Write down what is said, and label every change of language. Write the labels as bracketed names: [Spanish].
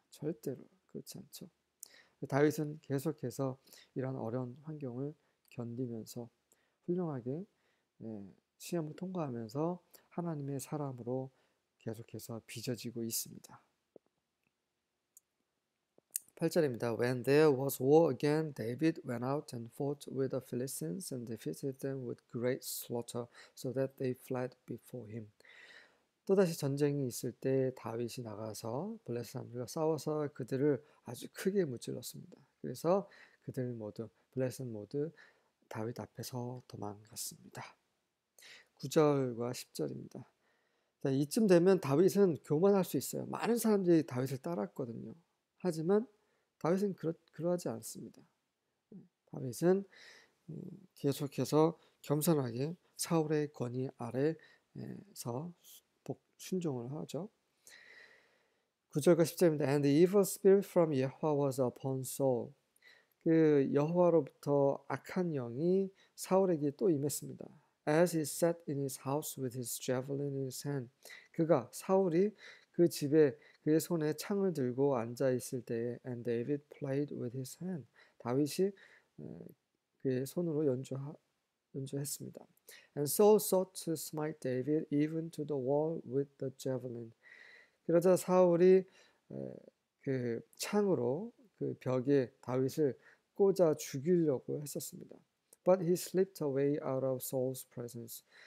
[Korean] 절대로 그렇지 않죠. 다윗은 계속해서 이런 어려운 환경을 견디면서 훌륭하게 시험을 통과하면서 하나님의 사람으로 계속해서 빚어지고 있습니다. 8절입니다. [English] When there was war again, David went out and fought with the Philistines and defeated them with great slaughter, so that they fled before him. [Korean] 또다시 전쟁이 있을 때 다윗이 나가서 블레셋과 싸워서 그들을 아주 크게 무찔렀습니다. 그래서 블레셋 모두 다윗 앞에서 도망갔습니다. 9절과 10절입니다. 자, 이쯤 되면 다윗은 교만할 수 있어요. 많은 사람들이 다윗을 따랐거든요. 하지만 다윗은 그러하지 않습니다. 다윗은 계속해서 겸손하게 사울의 권위 아래에서 순종을 하죠. 9절과 10절입니다. [English] And the evil spirit from Yahweh was upon Saul. [Korean] 그 여호와로부터 악한 영이 사울에게 또 임했습니다. [English] As he sat in his house with his javelin in his hand. [Korean] 그가 사울이 그 집에 그의 손에 창을 들고 앉아 있을 때에 [English] and David played with his hand. [Korean] 다윗이 그의 손으로 연주했습니다. [English] And Saul sought to smite David even to the wall with the javelin. [Korean] 그러자 사울이 그 창으로 그 벽에 다윗을 꽂아 죽이려고 했었습니다. [English] But he slipped away out of Saul's presence.